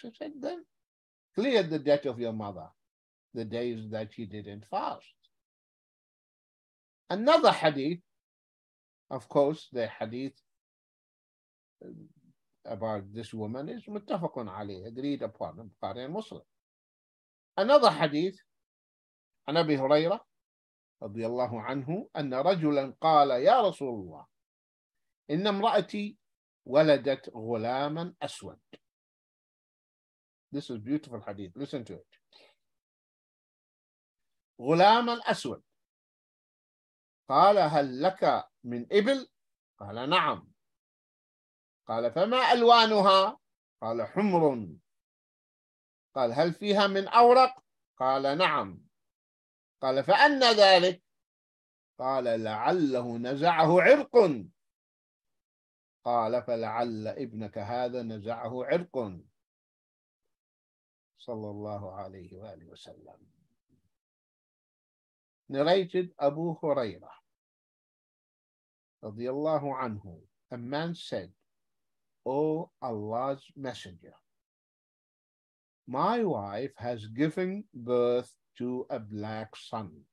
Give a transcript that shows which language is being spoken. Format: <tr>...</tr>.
<en>I said then, clear the debt of your mother, the days that she didn't fast. Another hadith, of course, the hadith about this woman is muttafaqun alayh, agreed upon, Bukhari and Muslim. Another hadith,</en> <ar>an Abi Huraira, radiyallahu anhu, أن رجلا قال يا رسول الله إن امرأتي ولدت غلاما أسود.</ar> <en>This is beautiful hadith. Listen to it.</en> <ar>غلاما أسود. قال هل لك من إبل؟ قال نعم. قال فما ألوانها؟ قال حمر. قال هل فيها من أورق؟ قال نعم. قال فأن ذلك؟ قال لعله نزعه عرق. قال فلعل ابنك هذا نزعه عرق صلى الله عليه وآله وسلم.</ar> <en>Narrated Abu Huraira</en> <ar>رضي الله عنه,</ar> <en>a man said, O Allah's messenger, my wife has given birth to a black son.</en>